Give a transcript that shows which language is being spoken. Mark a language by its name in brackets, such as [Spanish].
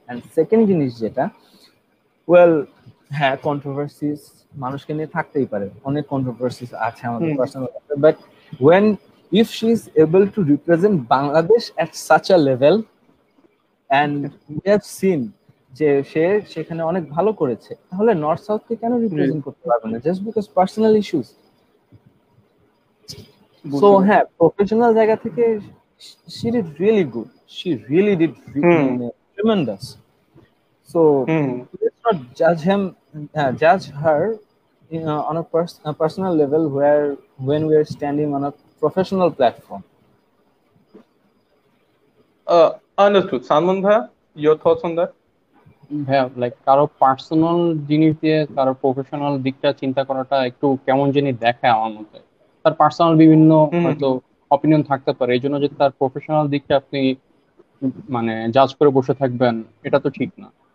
[Bangla] And second জিনিস যেটা, well হ্যাঁ কন্ট্রোভার্সিস মানুষকে নিয়ে থাকতেই পারে, অনেক কন্ট্রোভার্সিস আছে আমাদের personal, [English] but when if she is able to represent Bangladesh at such a level and we have seen [Bangla] যে সে সেখানে অনেক ভালো করেছে, তাহলে নর্থ সাউথকে কেন রিপ্রেজেন্ট করতে পারবে না [English] Just because personal issues. So হ্যাঁ professional [Bangla] জায়গা থেকে [English] she did really good. She really did tremendous. So let's not judge him, judge her on a personal level where when we are standing on a professional platform. Understood. Salman bhai, your thoughts on that? [Bangla] হ্যাঁ like কারো personal জিনিস দিয়ে কারো professional দিকটা চিন্তা করাটা একটু কেমন জানি দেখায় আমার মতে, তার পার্সোনাল বিভিন্ন হয়তো অপিনিয়ন থাকতে পারে, এই জন্য যে তার প্রফেশনাল দিকটা আপনি মানে জাজ করে বসে থাকবেন এটা তো ঠিক না।